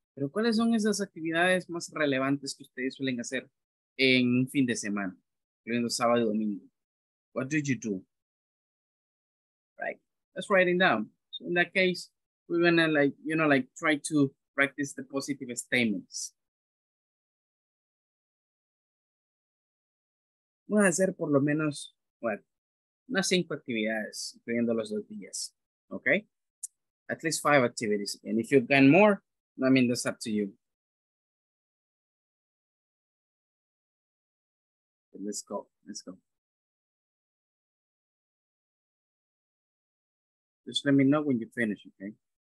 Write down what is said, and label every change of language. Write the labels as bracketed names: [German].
[Spanish] Pero ¿cuáles son esas actividades más relevantes que ustedes suelen hacer en un fin de semana, incluyendo sábado y domingo? [English] What did you do? Right, let's write it down. So in that case, we're gonna like, you know, like try to practice the positive statements. [Spanish] Vamos a hacer por lo menos, bueno, unas 5 actividades, incluyendo los 2 días, okay? [English] At least 5 activities, and if you've done more, I mean, that's up to you. Let's go, let's go. Just let me know when you finish, okay?